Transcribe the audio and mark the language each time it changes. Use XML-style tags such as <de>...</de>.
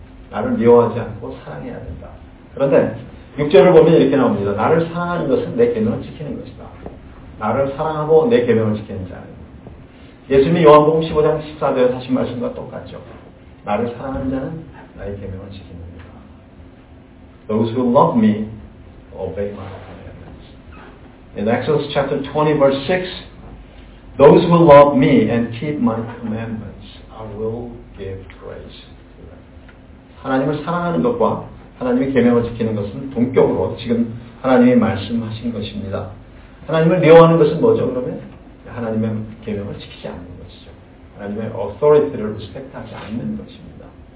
<ko>나를 미워하지 않고 사랑해야 된다. 그런데 6절을 보면 이렇게 나옵니다. 나를 사랑하는 것은 내 계명을 지키는 것이다. 나를 사랑하고 내 계명을 지키는 자는 예수님이 요한복음 15장 14절에 하신 말씀과 똑같죠. 나를 사랑하는 자는 나의 계명을 지키는 자.</ko> <en>Those who love me obey my commandments. In Exodus chapter 20 verse 6, Those who love me and keep my commandments, I will give grace to them.</en> <ko>하나님을 사랑하는 것과 하나님의 계명을 지키는 것은 동격으로 지금 하나님이 말씀하신 것입니다. 하나님을 미워하는 것은 뭐죠? 그러면 하나님의 계명을 지키지 않는 것이죠. 하나님의 authority를 respect하지 않는 것입니다.</ko>